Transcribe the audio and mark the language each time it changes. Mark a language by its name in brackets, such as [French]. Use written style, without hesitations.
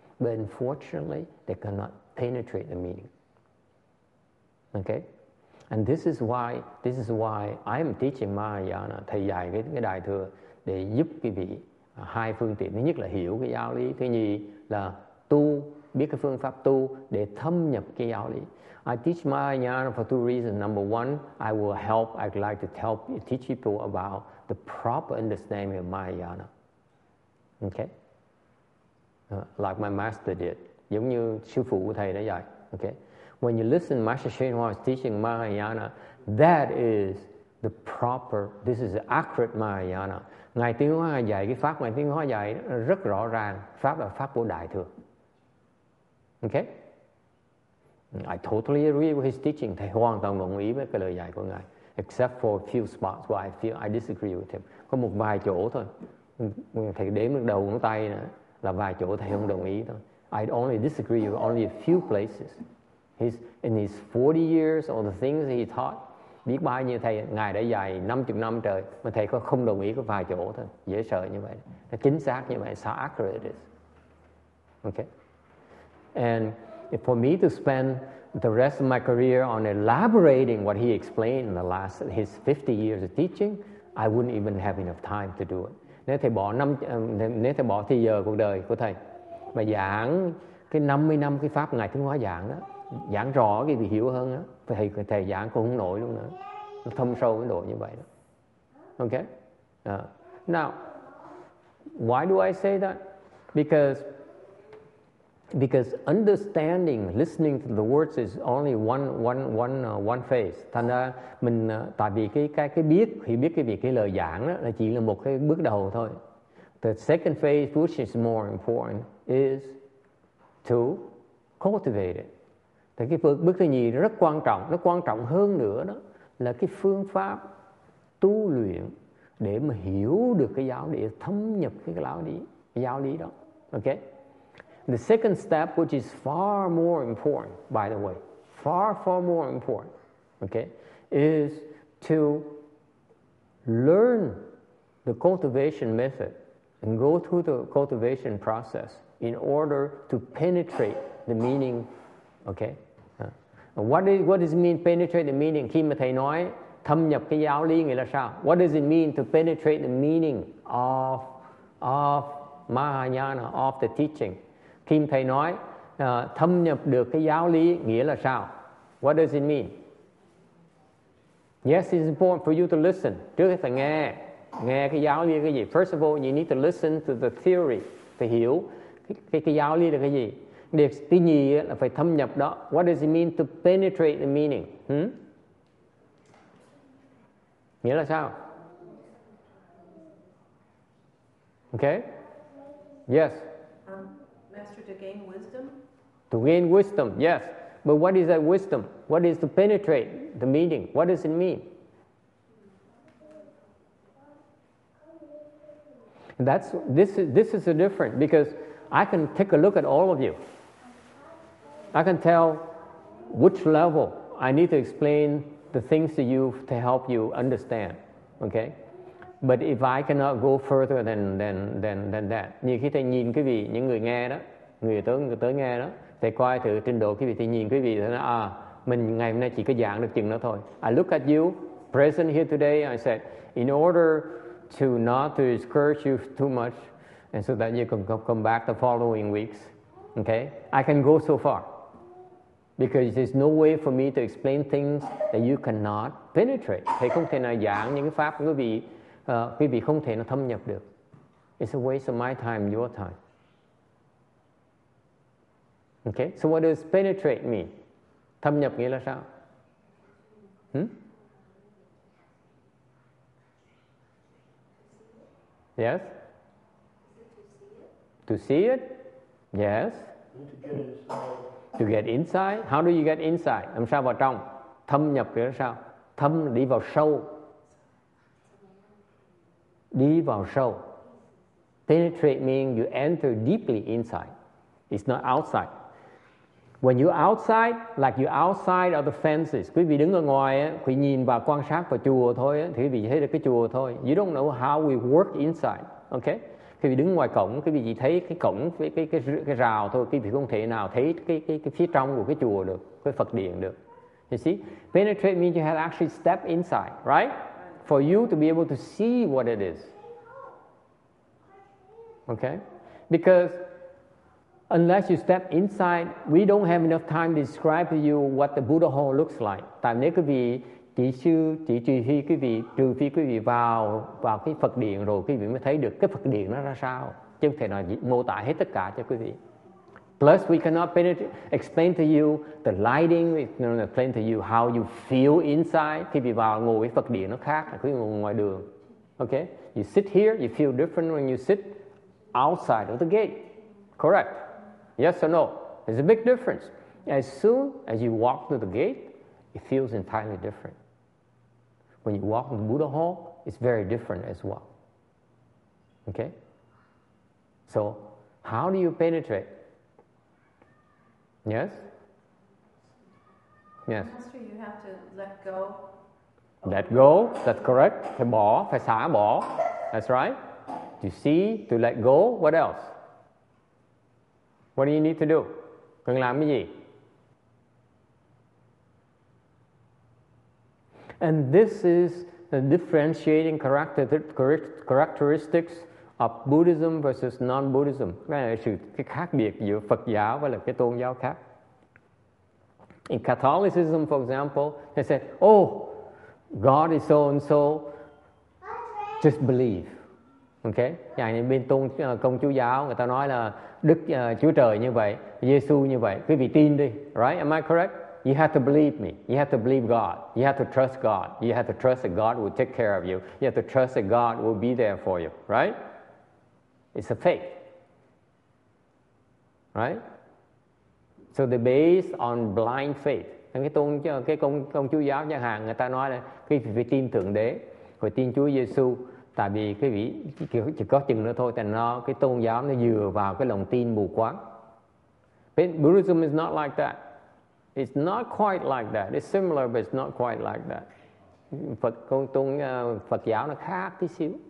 [English] But unfortunately, they cannot penetrate the meaning. Okay? And this is why I'm teaching Mahayana, [Vietnamese] thầy dạy cái đại thừa để giúp quý vị hai phương tiện. Thứ nhất là hiểu cái giáo lý, thứ nhì là tu, biết cái phương pháp tu để thâm nhập cái giáo lý. [English] I teach Mahayana for two reasons. Number one, I'd like to help you, teach people about the proper understanding of Mahayana. Okay? Like my master did. [Vietnamese] Giống như sư phụ của thầy đã dạy. [English] Okay? When you listen to Master Shenhua's teaching Mahayana, that is the proper, this is the accurate Mahayana. [Vietnamese] Ngài Tiên Hóa dạy cái pháp, Ngài Tiên Hóa dạy rất rõ ràng, pháp là pháp của Đại Thừa. Okay? [English] I totally agree with his teaching. [Vietnamese] Thầy hoàn toàn đồng ý với cái lời dạy của Ngài. [English] Except for a few spots where I disagree with him. [Vietnamese] Có một vài chỗ thôi. Thầy đếm được đầu ngón tay nữa, là vài chỗ thầy không đồng ý thôi. [English] I only disagree with only a few places. In his 40 years, all the things he taught, [Vietnamese] biết bao nhiêu thầy, Ngài đã dạy 50 năm trời, mà thầy có không đồng ý có vài chỗ thôi. Dễ sợ như vậy. Nó chính xác như vậy. [English] So accurate it is. Okay? And if for me to spend the rest of my career on elaborating what he explained in the last, his 50 years of teaching, I wouldn't even have enough time to do it. [Vietnamese] Nếu thầy bỏ thì giờ cuộc đời của thầy mà giảng cái 50 năm cái pháp Ngài Thiên Hóa giảng đó, giảng rõ cái gì hiểu hơn đó, thầy giảng cũng không nổi luôn nữa, nó thâm sâu đến độ như vậy đó. [English] Okay? Now, why do I say that? Because understanding, listening to the words is only one phase. [Vietnamese] Thành ra mình tại vì cái biết thì biết cái việc cái lời giảng đó là chỉ là một cái bước đầu thôi. [English] The second phase, which is more important, is to cultivate it. [Vietnamese] Thì cái bước thứ nhì rất quan trọng, nó quan trọng hơn nữa đó là cái phương pháp tu luyện để mà hiểu được cái giáo lý, thâm nhập cái giáo lý đó. [English] Okay? The second step, which is far more important, by the way, far, far more important, okay, is to learn the cultivation method and go through the cultivation process in order to penetrate the meaning, okay? What does it mean, penetrate the meaning? [Vietnamese] Khi mà thầy nói thâm nhập cái giáo lý nghĩa là sao? [English] What does it mean to penetrate the meaning of Mahayana, of the teaching? [Vietnamese] Khi thầy nói thâm nhập được cái giáo lý nghĩa là sao? [English] What does it mean? Yes, it's important for you to listen. [Vietnamese] Trước hết là nghe cái giáo lý là cái gì. [English] First of all, you need to listen to the theory, [Vietnamese] phải hiểu cái giáo lý là cái gì. Điều thứ nhì là phải thâm nhập đó. [English] What does it mean to penetrate the meaning? [Vietnamese] Nghĩa là sao? [English] Okay? Yes. To gain wisdom? To gain wisdom, yes. But what is that wisdom? What is to penetrate the meaning? What does it mean? This is a different, because I can take a look at all of you. I can tell which level I need to explain the things to you to help you understand. Okay? But if I cannot go further than that. [Vietnamese] Như khi thầy nhìn quý vị, những người nghe đó, người tới nghe đó, thầy coi thử trình độ quý vị, thầy nhìn quý vị thấy là mình ngày hôm nay chỉ có giảng được chừng đó thôi. [English] I look at you present here today, I said, in order to not to discourage you too much, and so that you can come back the following weeks, okay? I can go so far because there's no way for me to explain things that you cannot penetrate. [Vietnamese] Thầy không thể nào giảng những cái pháp của quý vị không thể nào thâm nhập được. [English] It's a waste of my time, your time. Okay, so what does penetrate mean? [Vietnamese] Thâm nhập nghĩa là sao? [English] Yes? Is it to see it? To see it? Yes? To get inside? How do you get inside? [Vietnamese] Làm sao vào trong? Thâm nhập nghĩa là sao? Thâm đi vào sâu. Đi vào sâu. [English] Penetrate means you enter deeply inside. It's not outside. When you're outside, like you're outside of the fences, [Vietnamese] quý vị đứng ở ngoài, quý vị nhìn và quan sát vào chùa thôi, thì quý vị thấy được cái chùa thôi. [English] You don't know how we work inside, okay? [Vietnamese] Quý vị đứng ngoài cổng, quý vị chỉ thấy cái cổng với cái rào thôi, quý vị không thể nào thấy cái phía trong của cái chùa được, cái Phật điện được. [English] You see? Penetrate means you have actually stepped inside, right? For you to be able to see what it is. Okay? Because unless you step inside, we don't have enough time to describe to you what the Buddha hall looks like. [Vietnamese] Tại nếu quý vị chỉ sư chỉ trừ phi quý vị vào vào cái Phật điện rồi quý vị mới thấy được cái Phật điện nó ra sao, chứ không thể nào mô tả hết tất cả cho quý vị. [English] Plus we cannot explain to you the lighting, we cannot explain to you how you feel inside. [Vietnamese] Khi bị vào ngồi với Phật điện nó khác, khi ngồi ngoài đường. [English] Okay? You sit here, you feel different when you sit outside of the gate. Correct? Yes or no? There's a big difference. As soon as you walk to the gate, it feels entirely different. When you walk in the Buddha hall, it's very different as well. Okay? So, how do you penetrate? Yes? Yes. Master, you have to let go. Let go, that's correct. [Vietnamese] Phải bỏ, phải xả bỏ. [English] That's right. To see, to let go, what else? What do you need to do? [Vietnamese] Cần làm cái gì? [English] And this is the differentiating characteristics of Buddhism versus non-Buddhism. [Vietnamese] Cái này là sự cái khác biệt giữa Phật giáo và là cái tôn giáo khác. [English] In Catholicism, for example, they say, oh, God is so and so, just believe. Okay? [Vietnamese] Dạ, bên tôn công chúa giáo, người ta nói là Đức Chúa Trời như vậy, Giê-xu như vậy, quý vị tin đi. [English] Right? Am I correct? You have to believe me. You have to believe God. You have to trust God. You have to trust that God will take care of you. You have to trust that God will be there for you. Right? It's a faith. Right? So they base on blind faith. [Vietnamese] Cái công chúa giáo nhà hàng người ta nói là quý vị phải tin Thượng Đế, phải tin Chúa Giê-xu. Tại vì quý vị chỉ có chừng nữa thôi, tại nó cái tôn giáo nó dựa vào cái lòng tin mù quáng. [English] Buddhism is not like that. It's not quite like that. It's similar, but it's not quite like that. [Vietnamese] Phật công tôn Phật giáo nó khác tí xíu.